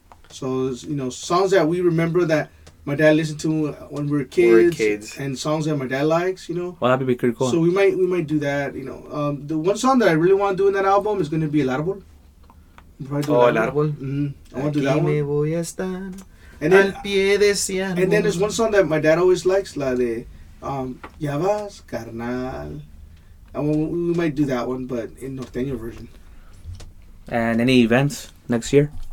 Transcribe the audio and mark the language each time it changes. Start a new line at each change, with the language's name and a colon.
English: So, you know, songs that we remember that my dad listened to when we were kids. And songs that my dad likes, you know. Well, that'd be pretty cool. So we might do that, you know. The one song that I really want to do in that album is going to be El Árbol. El Árbol? Mm-hmm. I want to do that one.
Spanish: Aquí me voy a estar al pie de ese árbol.
English: And then there's one song that my dad always likes, la de Ya vas, carnal. We might do that one, but in Norteño version. And any events next year?